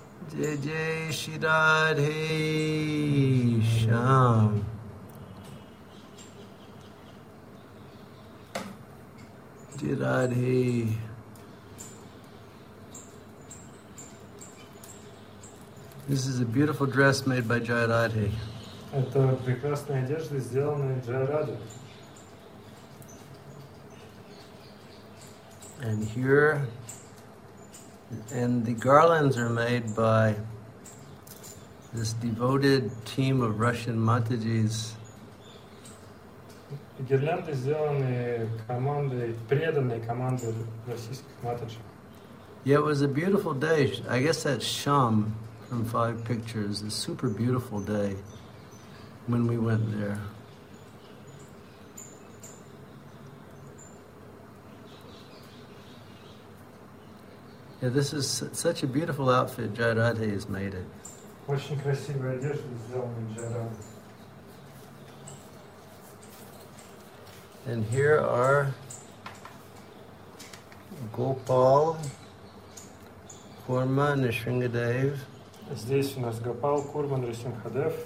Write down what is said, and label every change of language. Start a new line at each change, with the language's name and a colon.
Hindi: Jai Jai Shri Radhe Shyam. Jai Radhe.
English: This is a beautiful dress made by Jai Radhe.
Russian: Это прекрасная одежда, сделанная Джай Радхе.
English: And here, and the garlands are made by this devoted team of Russian Matajis.
Russian: Гирлянды сделаны командой, преданной командой российских Матаджи.
English: Yeah, it was a beautiful day. I guess that's Sham from Five Pictures. A super beautiful day when we went there. Yeah, this is such a beautiful outfit Jai Radhe has made it.
Russian: Очень красивая одежда сделана Джай Радхе.
English: And here are Gopal, Kurma, Nrisimhadev.
Russian: Здесь у нас Гопал, Курма, Нрисимхадев,